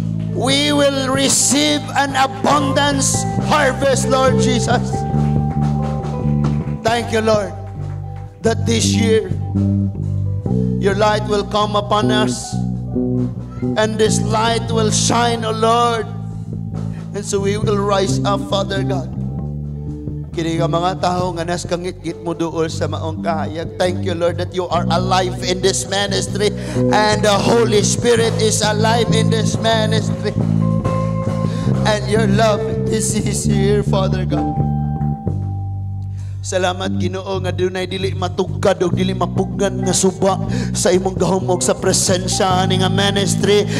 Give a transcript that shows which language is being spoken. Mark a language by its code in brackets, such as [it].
[en] We will receive an abundance harvest, Lord Jesus. Thank you, Lord, that this year, your light will come upon us. And this light will shine, O Lord. And so we will rise up, Father God. [ceb] Kini ka mga tao nga nas kangit-git mo duol sa maong kahayag. [en] Thank you, Lord, that you are alive in this ministry. And the Holy Spirit is alive in this ministry. And your love is here, Father God. [ceb] Salamat, Ginoo, nga dunay dili matugkad og dili mapugan nga suba sa imong gahumog sa presensya aning ministry.